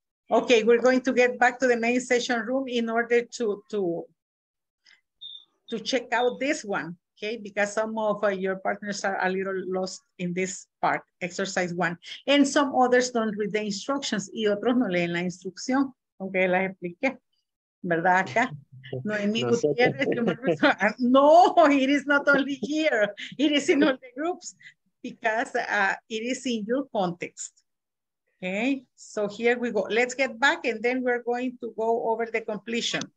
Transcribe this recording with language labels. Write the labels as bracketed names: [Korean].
[English] Okay, we're going to get back to the main session room in order to check out this one. Okay, because some of your partners are a little lost in this part, exercise 1. And some others don't read the instructions. [Spanish] Y otros no leen la instrucción, aunque las expliqué. ¿Verdad acá? [English] Noemí Gutiérrez, no, it is not only here. It is in all the groups because it is in your context. Okay, so here we go. Let's get back and then we're going to go over the completion.